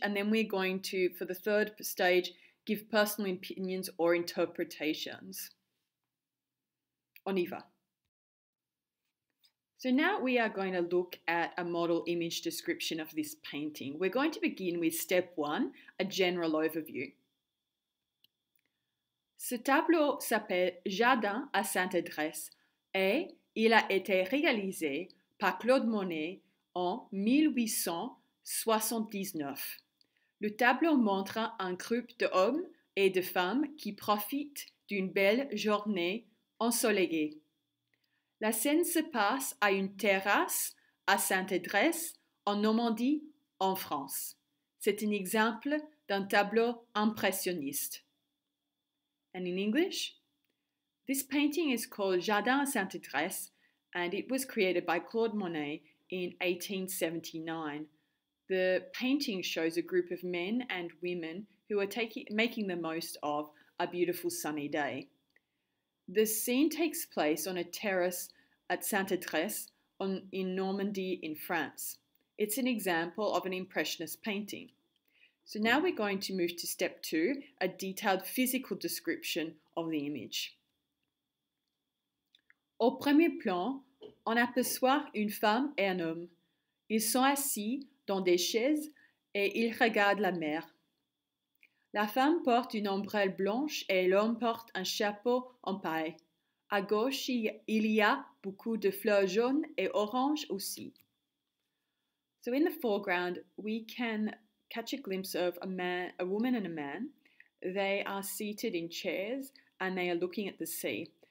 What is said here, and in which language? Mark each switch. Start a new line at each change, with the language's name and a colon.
English: And then we're going to, for the third stage, give personal opinions or interpretations.
French: On y va.
English: So now we are going to look at a model image description of this painting. We're going to begin with step one, a general overview.
French: Ce tableau s'appelle Jardin à Sainte-Adresse et il a été réalisé par Claude Monet en 1879. Le tableau montre un groupe d'hommes et de femmes qui profitent d'une belle journée ensoleillée. La scène se passe à une terrasse à Sainte-Adresse, en Normandie, en France. C'est un exemple d'un tableau impressionniste.
English: And in English, this painting is called Jardin à Sainte-Adresse, and it was created by Claude Monet in 1879. The painting shows a group of men and women who are making the most of a beautiful sunny day. The scene takes place on a terrace at Sainte-Adresse in Normandy in France. It's an example of an Impressionist painting. So now we're going to move to step two, a detailed physical description of the image.
French: Au premier plan, on aperçoit une femme et un homme. Ils sont assis dans des chaises et ils regardent la mer. La femme porte une ombrelle blanche et l'homme porte un chapeau en paille. À gauche, il y a beaucoup de fleurs jaunes et oranges aussi.
English: So in the foreground, we can catch a glimpse of a woman and a man. They are seated in chairs and they are looking at the sea.